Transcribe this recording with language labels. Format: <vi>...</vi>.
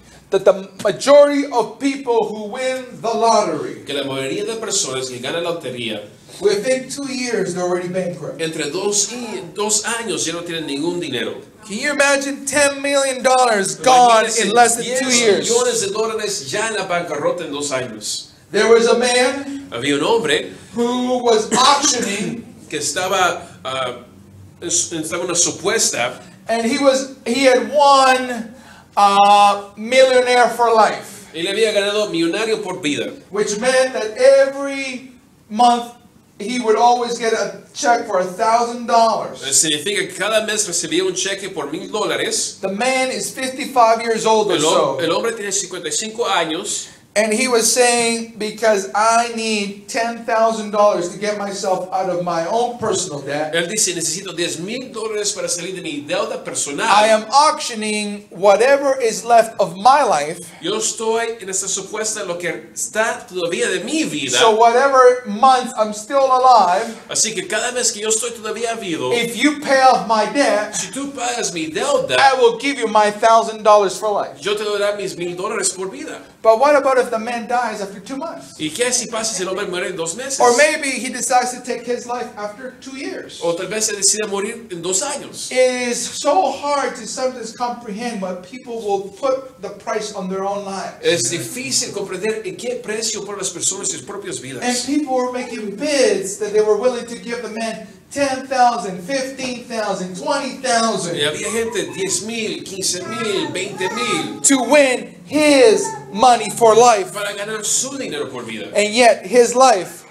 <en>that the majority of people who win the lottery,</en> <es>que la mayoría de personas que ganan la lotería,</es> <en>within 2 years they're already bankrupt.</en> <es>Entre dos años ya no tienen ningún dinero.</es> <en>Can you imagine $10 million gone in less than 2 years?</en> <es>Millones de dólares ya en la bancarrota en dos años.</es> <en>There was a man.</en> <es>Había un hombre</es> <en>who was auctioning.</en> <es>Que estaba estaba una supuesta.</es> <en>And he had won millionaire for life.</en> <es>Y le había ganado millonario por vida.</es> <en>Which meant that every month he would always get a check for $1,000.</en> <es>Significa que cada mes recibía un cheque por $1,000.</es> <en>The man is 55 years old or so.</en> <es>El hombre tiene 55 años.</es> <en>And he was saying, because I need $10,000 to get myself out of my own personal debt.</en> <es>Él dice, necesito $10,000 para salir de mi deuda personal.</es> <en>I am auctioning whatever is left of my life.</en> <es>Yo estoy en esta supuesta lo que está todavía de mi vida.</es> <en>So whatever month I'm still alive.</en> <es>Así que cada mes que yo estoy todavía vivo.</es> <en>If you pay off my debt.</en> <es>Si tú pagas mi deuda.</es> <en>I will give you my $1,000 for life.</en> <es>Yo te daré mis $1,000 por vida.</es> <en>But what about if the man dies after 2 months?</en> <es>¿Y qué si pasa si el hombre muere en dos meses?</es> <en>Or maybe he decides to take his life after 2 years.</en> <es>O tal vez se decida morir en dos años.</es> <en>It is so hard to sometimes comprehend what people will put the price on their own lives.</en> <es>Es difícil comprender en qué precio ponen las personas sus propias vidas.</es> <en>And people were making bids that they were willing to give the man $10,000, $15,000, $20,000. To win his money for life.</en> <es>Para ganar su dinero por vida.</es> <en>And yet his life,</en>